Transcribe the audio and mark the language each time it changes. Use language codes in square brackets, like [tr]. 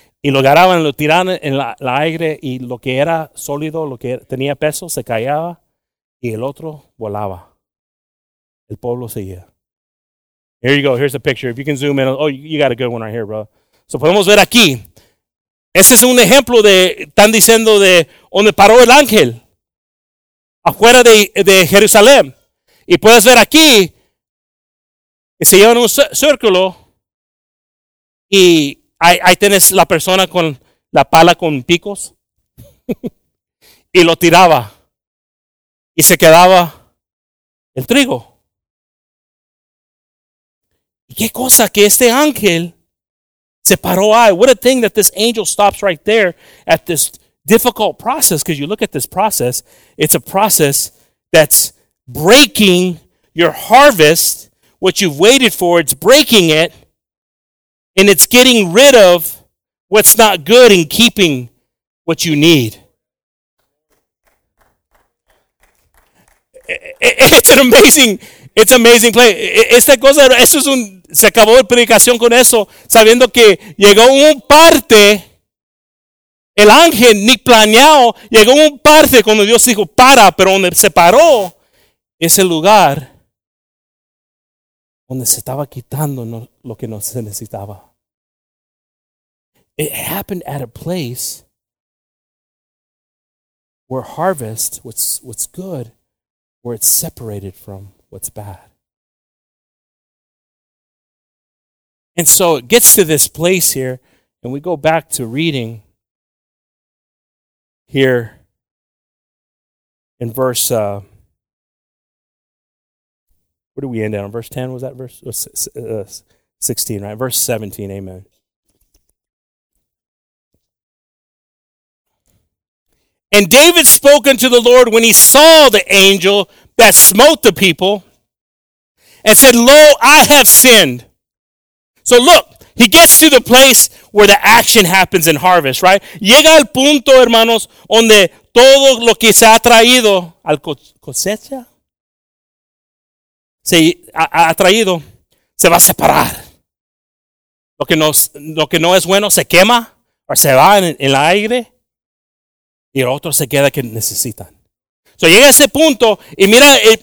[es] Y lo agarraban, lo tiraban en la aire y lo que era sólido, lo que tenía peso, se callaba y el otro volaba. El pueblo seguía. [en] Here you go. Here's a picture. If you can zoom in. Oh, you got a good one right here, bro. [es] So podemos ver aquí. Ese es un ejemplo de, están diciendo de donde paró el ángel. Afuera de Jerusalén. Y puedes ver aquí, que se llevan un círculo y ahí tienes la persona con la pala con picos y lo tiraba y se quedaba el trigo. ¿Y qué cosa que este ángel se paró ahí? [en] What a thing that this angel stops right there at this difficult process, because you look at this process, it's a process that's breaking your harvest, what you've waited for, it's breaking it, and it's getting rid of what's not good and keeping what you need. It's an amazing play. [es] Esta cosa, eso es un, se acabó la predicación con eso, sabiendo que llegó un parte, el ángel ni planeado, llegó un parte cuando Dios dijo para, pero donde se paró, ese lugar donde se estaba quitando lo que no se necesitaba. [en] It happened at a place where harvest, what's good, where it's separated from what's bad. And so it gets to this place here, and we go back to reading here in verse where do we end at? Verse 10, was that verse 16, right? Verse 17, amen. And David spoke unto the Lord when he saw the angel that smote the people and said, lo, I have sinned. So look, he gets to the place where the action happens in harvest, right? [es] Llega al punto, hermanos, donde todo lo que se ha traído al cosecha, se ha traído, se va a separar. Lo que no es bueno se quema o se va en el aire y el otro se queda que necesitan. So llega a ese punto y mira,